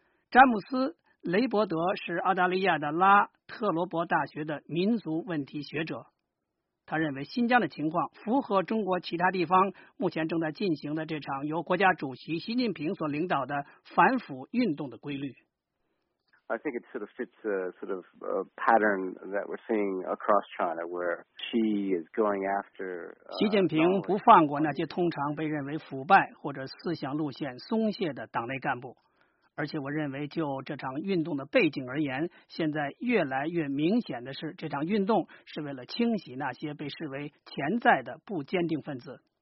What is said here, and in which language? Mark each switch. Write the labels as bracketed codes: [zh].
[zh] 詹姆斯·雷伯德是澳大利亚的拉特罗伯大学的民族问题学者，他认为新疆的情况符合中国其他地方目前正在进行的这场由国家主席习近平所领导的反腐运动的规律。 [en] I think it sort of fits a sort of pattern that we're seeing across China, where Xi is going after. [zh] 习近平不放过那些通常被认为腐败或者思想路线松懈的党内干部，而且我认为就这场运动的背景而言，现在越来越明显的是，这场运动是为了清洗那些被视为潜在的不坚定分子。